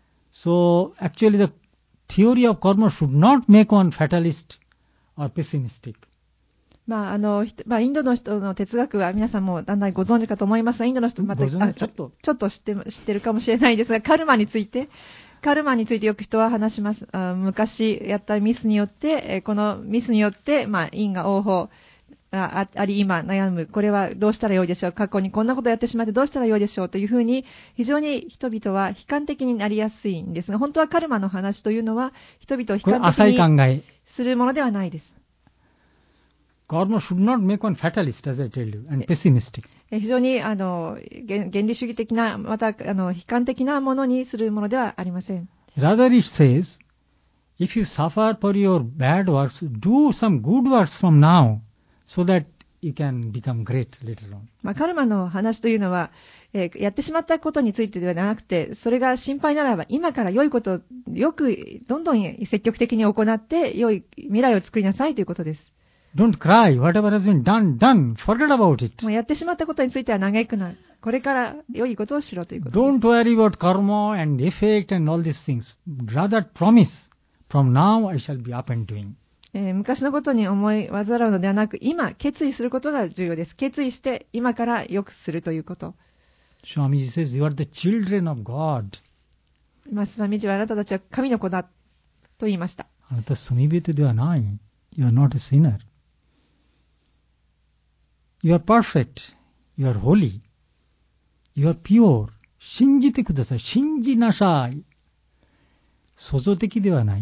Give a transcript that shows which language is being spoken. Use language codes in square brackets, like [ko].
[en] So actually the theory of karma should not make one fatalist or pessimistic. [ja] まあインドの人の哲学は皆さんもだんだんご存知かと思いますが、インドの人もまたちょっと知ってるかもしれないですが、カルマについてよく人は話します。昔やったミスによって、このミスによって、因果応報があり、今悩む、これはどうしたらよいでしょう、過去にこんなことやってしまってどうしたらよいでしょうというふうに、非常に人々は悲観的になりやすいんですが、本当はカルマの話というのは人々を悲観的に浅い考えするものではないです。 [en] Karma should not make one fatalist, as I told you, and pessimistic. [ja] 非常に原理主義的な、また悲観的なものにするものではありません。 [en] Rather, it says, if you suffer for your bad works, do some good works from now, so that you can become great later on. [ja] カルマの話というのは、やってしまったことについてではなくて、それが心配ならば、今から良いことをよくどんどん積極的に行って、良い未来を作りなさいということです。 [en] Don't cry. Whatever has been done, done. Forget about it. もうやってしまったことについては嘆くな。これから良いことをしろということです。 Don't worry about karma and effect and all these things. Rather promise. From now I shall be up and doing. [ja] 昔のことに思い煩うのではなく、今決意することが重要です。決意して今から良くするということ。 [en] Swamiji says, you are the children of God. [ja] Swamiji はあなたたちは神の子だと言いました。あなたは罪人ではない。 [en] You are not a sinner. You are perfect. You are holy. You are pure. [ja] 信じてください。信じなさい。創造的ではない。